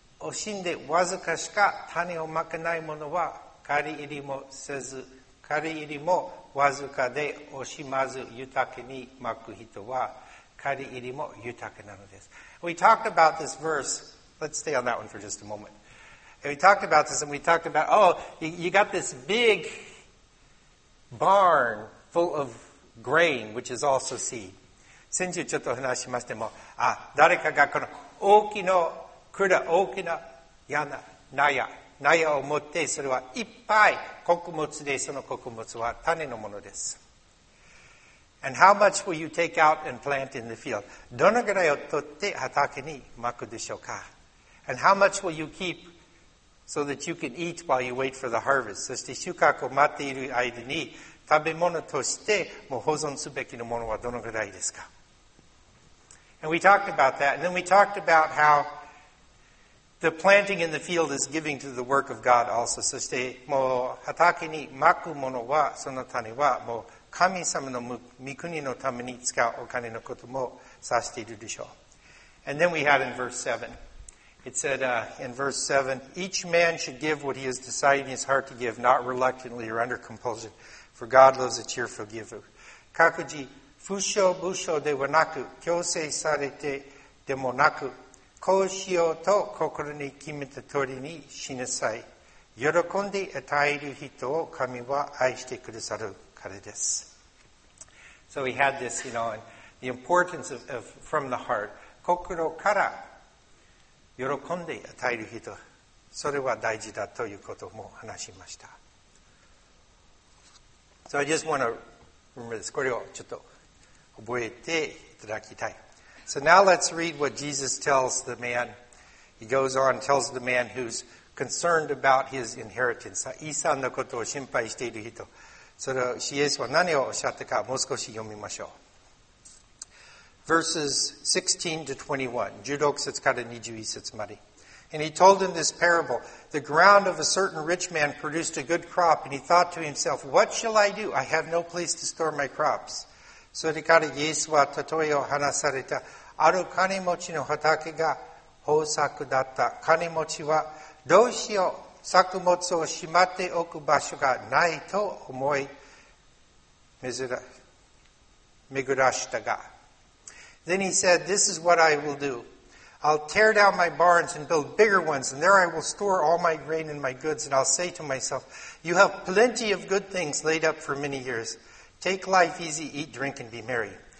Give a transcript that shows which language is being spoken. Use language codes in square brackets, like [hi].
[ja] 惜しんでわずかしか種をまけないものは刈り入りもせず、刈り入りもわずかで惜しまず豊かにまく人は刈り入りも豊かなのです。 [en] We talked about this verse. Let's stay on that one for just a moment. And we talked about this and we talked about, oh, you got this big barn full of grain, which is also seed. [ja] 先週ちょっと話しましても、あ、誰かがこの大きな蔵、大きな屋根、納屋を持って、それはいっぱい穀物で、その穀物は種のものです。 [en] And how much will you take out and plant in the field? [ja] どのぐらいを取って畑にまくでしょうか? [en] And how much will you keep so that you can eat while you wait for the harvest? [ja] そして収穫を待っている間に、食べ物としてもう保存すべきのものはどのぐらいですか? [en] And we talked about that, and then we talked about how the planting in the field is giving to the work of God also. [ja] そしてもう畑にまくものは、その種はもう神様の御国のために使うお金のこともさせているでしょう。 [en] And then we had in verse 7. It said in verse 7, each man should give what he has decided in his heart to give, not reluctantly or under compulsion, for God loves a cheerful giver. [ja] 各自、不肖不肖ではなく、強制されてでもなく、こうしようと心に決めた通りにしなさい。喜んで与える人を神は愛してくださる。 [en] So we had this, you know, and the importance of from the heart. [ja] 心から喜んで与える人、それは大事だということも話しました。 [en] So I just want to remember this. [ja] これをちょっと覚えていただきたい。 [en] So now let's read what Jesus tells the man. He goes on, tells the man who's concerned about his inheritance. [ja] 遺産のことを心配している人。それをイエスは何をおっしゃったか、もう少し読みましょう。 [en] Verses 16 to 21, [ja] 16節から21節まで。 [en] And he told him this parable, the ground of a certain rich man produced a good crop, and he thought to himself, what shall I do? I have no place to store my crops. [ja] それからイエスは例えを話された。ある金持ちの畑が豊作だった。金持ちはどうしよう。作物をしまっておく場所がないと思い巡らしたが。 [en] Then he said, this is what I will do. I'll tear down my barns and build bigger ones, and there I will store all my grain and my goods, and I'll say to myself, you have plenty of good things laid up for many years. Take life easy, eat, drink, and be merry.